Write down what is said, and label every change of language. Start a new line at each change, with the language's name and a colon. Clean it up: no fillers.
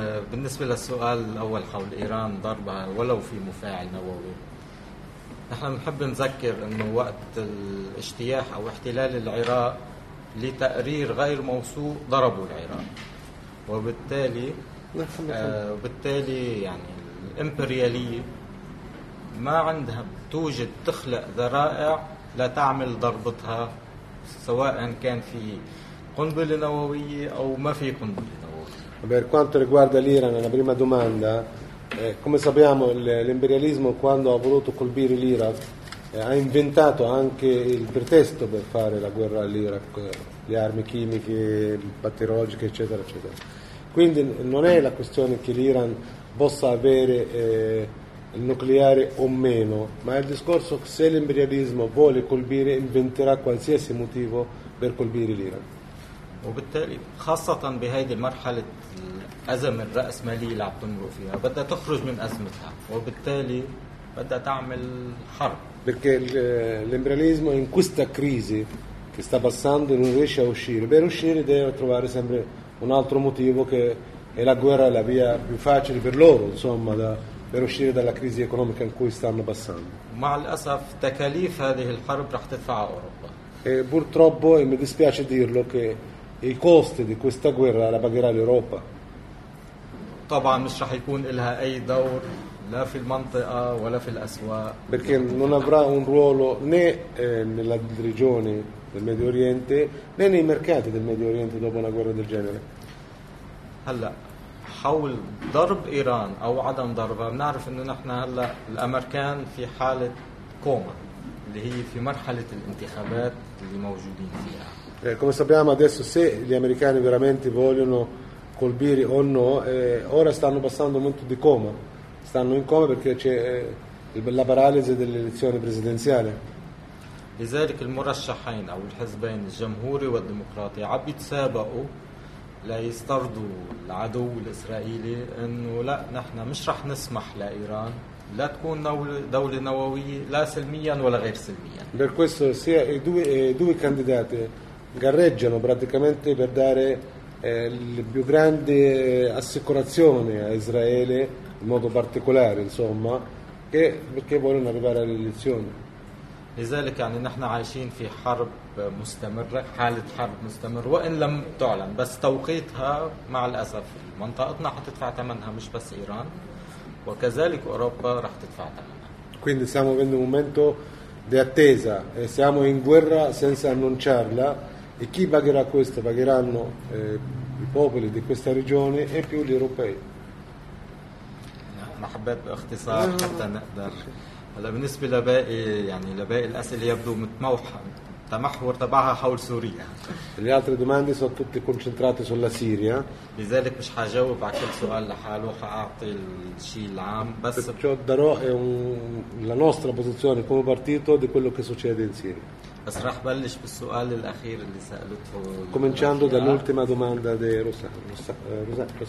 Arabic: بالنسبه للسؤال الاول حول ايران ضربها ولو في مفاعل نووي نحن بنحب نذكر انه وقت الاجتياح او احتلال العراق لتقرير غير موثوق ضربوا العراق وبالتالي وبالتالي يعني الإمبريالية ما عندها توجد تخلق ذرائع لتعمل ضربتها سواء كان في قنبلة نووية أو ما في قنبلة نووية.
Italian: Per quanto riguarda l'Iran, la prima domanda, come sappiamo l'imperialismo quando ha voluto colpire l'Iraq ha inventato anche il pretesto per fare la guerra all'Iraq, le armi chimiche, batteriologiche, eccetera, eccetera. Quindi non è la questione che l'Iran possa avere il nucleare o meno, ma è il discorso che se l'imperialismo vuole colpire, inventerà qualsiasi motivo per colpire l'Iran.
Arabic: وبالتالي خاصة بهاي المرحلة الأزمة الرأسمالية اللي عم تمر فيها بدها تخرج من أزمتها وبالتالي بدها تعمل حرب.
Italian: Perché l'imperialismo in questa crisi che sta passando non riesce a uscire. Per uscire deve trovare sempre un altro motivo che è la guerra, la via più facile per loro, insomma, per uscire dalla crisi economica in cui stanno passando.
Arabic: Ma al-asaf takalif هذه الحرب راح تدفع اوروبا.
Italian: E purtroppo, e mi dispiace dirlo, che i costi di questa guerra la pagherà l'Europa.
Arabic: طبعا مش راح يكون لها اي دور لا في المنطقة ولا في الأسواق.
Italian: Perché non avrà un ruolo né nella regione del Medio Oriente né nei mercati del Medio Oriente dopo una guerra del genere.
Arabic: هلا حول ضرب إيران أو عدم ضربها بنعرف إنه نحن هلا الأمريكان في حالة كوما اللي هي في مرحلة الانتخابات اللي موجودين فيها.
Italian: Come sappiamo adesso se gli americani veramente vogliono colpire o no, ora stanno passando molto di coma, stanno in coma perché c'è la paralisi dell'elezione presidenziale.
Arabic: لذلك المرشحين أو الحزبين الجمهوري والديمقراطي عم يتسابقوا ليستردوا العدو الإسرائيلي إنه لا نحن مش رح نسمح لإيران لا تكون دولة نووية لا سلميا ولا غير سلميا.
Italian: Per questo sia i due candidati gareggiano praticamente per dare la più grande assicurazione a Israele in modo particolare, insomma, che perché vogliono arrivare alle elezioni.
Arabic: لذلك يعني نحن عايشين في حرب مستمرة حالة حرب مستمرة وإن لم تعلن بس توقيتها مع الأسف منطقتنا حتدفع ثمنها مش بس إيران وكذلك أوروبا راح تدفع ثمنها.
Italian: Quindi siamo in un momento di attesa e siamo in guerra senza annunciarla. E chi pagherà questo? Pagheranno i popoli di questa regione e più gli europei.
Arabic: Ma habbat ikhtisar hatta naqdar. Alla بالنسبه لباقي يعني لباقي الاسئله يبدو متموحه تمحور تبعها حول سوريا.
Italian: Le altre domande sono tutte concentrate sulla Siria.
Arabic: لذلك مش حجاوب على كل سؤال لحاله حاعطي الشيء العام بس
Italian: perciò darò la nostra posizione come partito di quello che succede in Siria.
Arabic: بس راح بلش بالسؤال الأخير اللي سألته.
Italian: Cominciando dall'ultima domanda di Rosana.